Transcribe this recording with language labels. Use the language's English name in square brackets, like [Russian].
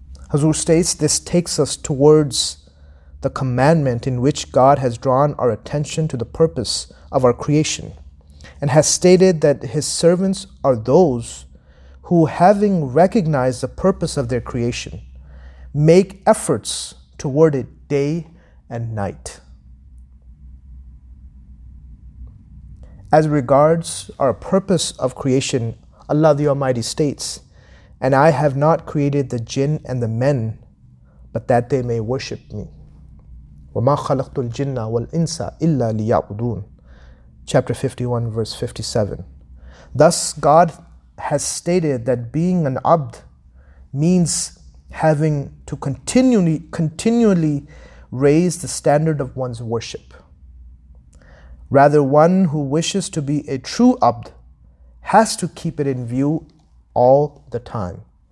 [English] Hazur states this takes us towards the commandment in which God has drawn our attention to the purpose of our creation and has stated that his servants are those who, having recognized the purpose of their creation, make efforts toward it day and night. As regards our purpose of creation, Allah the Almighty states, and I have not created the jinn and the men, but that they may worship me. [Arabic] وَمَا خَلَقْتُ الْجِنَّ وَالْإِنسَ إِلَّا لِيَعْبُدُونَ [English] Chapter 51, verse 57. Thus, God has stated that being an abd means having to continually raise the standard of one's worship. Rather, one who wishes to be a true abd has to keep it in view all the time.